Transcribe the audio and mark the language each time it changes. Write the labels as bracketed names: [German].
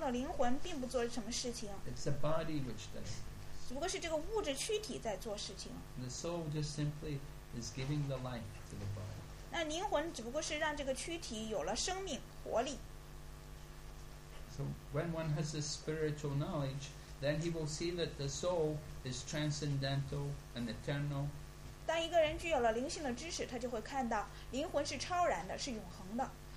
[Chinese] 躯体当中的灵魂并不做什么事情。 [English] It's the body which does. [Chinese] 只不过是这个物质躯体在做事情。 [English] The soul just simply is giving the life to the body. [Chinese] 那灵魂只不过是让这个躯体有了生命活力。 [English] So when one has a spiritual knowledge, then he will see that the soul is transcendental and eternal. [Chinese] 当一个人具有了灵性的知识，他就会看到灵魂是超然的，是永恒的。